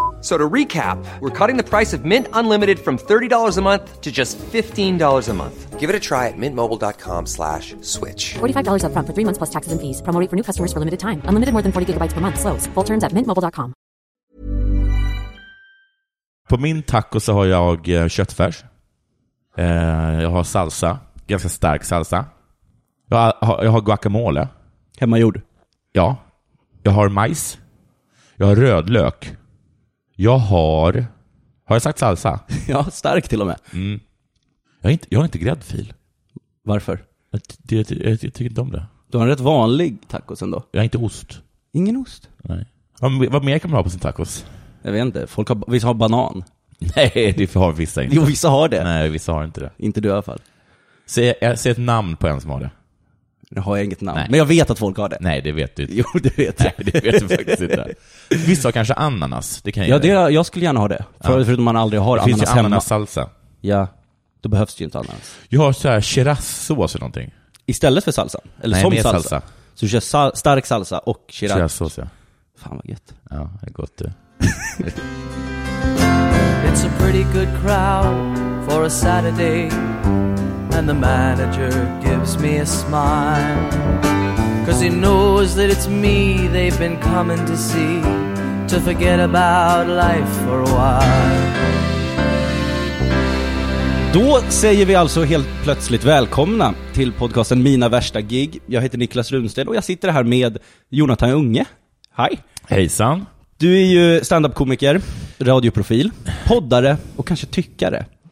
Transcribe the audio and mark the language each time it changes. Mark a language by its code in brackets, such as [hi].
[en] So to recap, we're cutting the price of Mint Unlimited from $30 a month to just $15 a month. Give it a try at mintmobile.com/switch. $45 up front for 3 months plus taxes and fees. Promo rate for new customers for limited time. Unlimited more than 40 gigabytes per month. Slows full terms at mintmobile.com. [sv] På min taco så har jag köttfärs. Jag har salsa. Ganska stark salsa. Jag har guacamole. Hemmagjord. Ja. Jag har majs. Jag har rödlök. Har jag sagt salsa? Ja, stark till och med. Mm. Jag har inte gräddfil. Varför? Jag tycker inte om det. Du har en rätt vanlig tacos ändå. Jag har inte ost. Ingen ost? Nej. Vad mer kan man ha på sin tacos? Jag vet inte. Vissa har banan. Nej, det har vissa inte. Jo, vissa har det. Nej, vissa har inte det. Inte du i alla fall. Säg ett namn på en som har det. Nu har jag inget namn. Nej. Men jag vet att folk har det. Nej, det vet du inte. Jo, det vet jag. Nej, det vet du faktiskt inte. Vissa har kanske ananas. Det kan jag. Ja, jag skulle gärna ha det. Förutom man aldrig har det ananas hemma. Finns ju ananassalsa. Ja, då behövs det ju inte ananas. Jag har så här chirassås eller någonting. Istället för salsa? Eller nej, som med salsa. Salsa. Så du kör stark salsa och chirassås, ja. Fan vad gött. Ja, det är gott du. [en] It's a pretty good crowd for a Saturday. And the manager gives me a smile, 'cause he knows that it's me they've been coming to see, to forget about life for a while. [sv] Då säger vi alltså helt plötsligt välkomna till podcasten Mina värsta gig. Jag heter Niklas Runsten och jag sitter här med Jonathan Unge. Hej. Hejsan. Du är ju stand-up-komiker, radioprofil, poddare och kanske tyckare.